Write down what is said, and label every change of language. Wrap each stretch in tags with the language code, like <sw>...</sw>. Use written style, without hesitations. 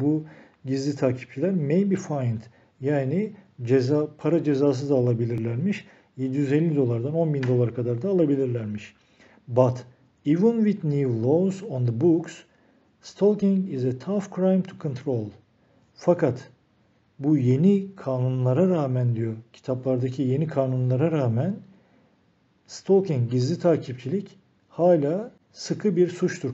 <tr>Bu gizli takipçiler may be fined yani ceza para cezası da alabilirlermiş. 750 dolardan 10 bin dolar kadar da alabilirlermiş.</tr> <en>But even with new laws on the books, stalking is a tough crime to control.</en> <tr>Fakat bu yeni kanunlara rağmen diyor, kitaplardaki yeni kanunlara rağmen stalking, gizli takipçilik hala sıkı bir suçtur.</tr>